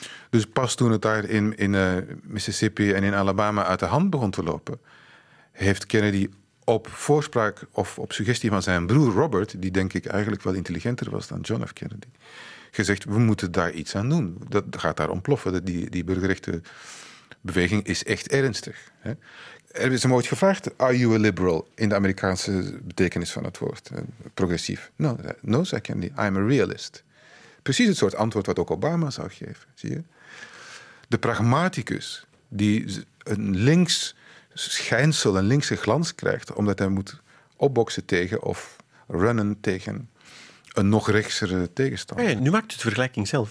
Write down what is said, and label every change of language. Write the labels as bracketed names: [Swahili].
[Dutch] Dus pas toen het daar in Mississippi en in Alabama uit de hand begon te lopen, heeft Kennedy op voorspraak of op suggestie van zijn broer Robert, die denk ik eigenlijk wel intelligenter was dan John F. Kennedy, gezegd, we moeten daar iets aan doen. Dat gaat daar ontploffen. Die burgerrechtenbeweging is echt ernstig. Hè? Er is hem ooit gevraagd, [English] are you a liberal? [Dutch] In de Amerikaanse betekenis van het woord. Progressief. [English] No, [Dutch] zei Kennedy, [English] I'm a realist. [Dutch] Precies het soort antwoord wat ook Obama zou geven. Zie je? De pragmaticus die een links... schijnsel een linkse glans krijgt, omdat hij moet opboksen tegen of runnen tegen een nog rechtsere tegenstander. Hey, nu maakt het vergelijking zelf.